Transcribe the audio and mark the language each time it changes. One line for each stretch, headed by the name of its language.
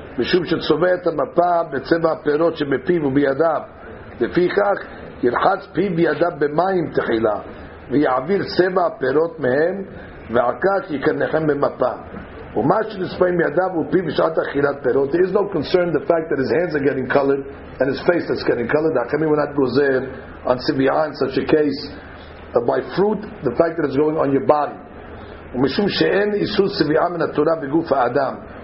Hebrew: משום שצובע את המפה בצבע הפירות שבפיו ובידיו. לפי כך, ילחץ פיו בידיו במים תחילה, ויעביר צבע הפירות מהם, ועל כך יקנחם במפה. ומה שנצפעים בידיו הוא פיו בשעת אכילת פירות.
English: There is no concern the fact that his hands are getting colored and his face is getting colored. How come we're not gozer on Sibiyah in such a case? By fruit, the fact that it's going on your body.
Hebrew: ומשום שאין איסור סביעה מן התורה בגוף האדם.